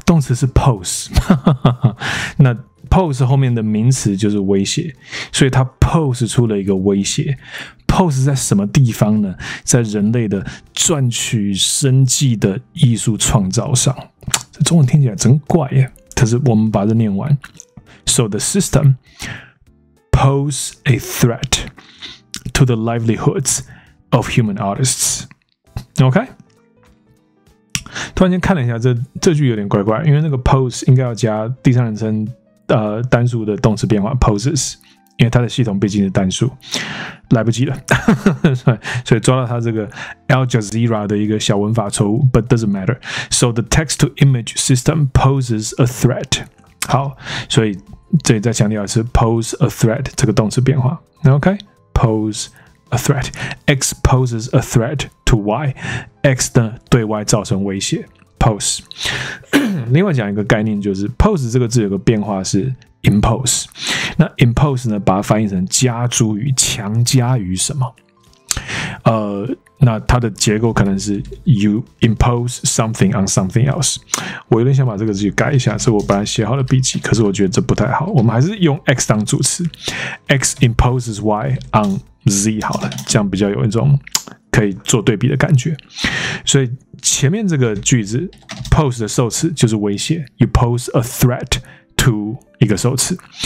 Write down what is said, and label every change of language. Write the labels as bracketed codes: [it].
[zh] 动词是 pose， 那 pose 后面的名词就是威胁，所以它 pose 出了一个威胁。 pose 在什么地方呢？在人类的赚取生计的艺术创造上。这中文听起来真怪耶，可是我们把它念完。 [en] So the system pose a threat. To the livelihoods of human artists. OK? [zh] 突然间看了一下 这句有点怪怪，因为那个 pose 应该要加第三人称单数的动词变化 poses， 因为它的系统毕竟是单数，来不及了。所以抓到它这个 Al Jazeera 的一个小文法错误， [en] but doesn't matter. So the text to image system poses a threat. [zh] 好，所以这里再强调一次 pose a threat 这个动词变化。 [en] OK? Pose a threat. X poses a threat to Y. [zh] X 呢对 Y 造成威胁。Pose. 另外讲一个概念，就是 pose 这个字有个变化是 impose。那 impose 呢，把它翻译成加诸于、强加于什么？那它的结构可能是 [en] you impose something on something else。 [zh] 我有点想把这个字改一下，是我本来写好的笔记，可是我觉得这不太好。我们还是用 x 当主词 ， [en] x imposes y on z [zh] 好了，这样比较有一种可以做对比的感觉。所以前面这个句子 pose 的受词就是威胁 ， [en] you pose a threat to [zh] 一个受词。